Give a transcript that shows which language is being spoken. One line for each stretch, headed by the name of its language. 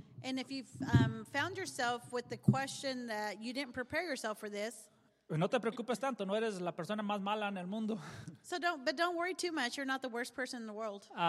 English: And if you've found yourself with the question that you didn't prepare yourself for this.
Spanish: No te preocupes tanto, no eres la persona más mala en el mundo.
English: So don't worry too much, you're not the worst person in the world.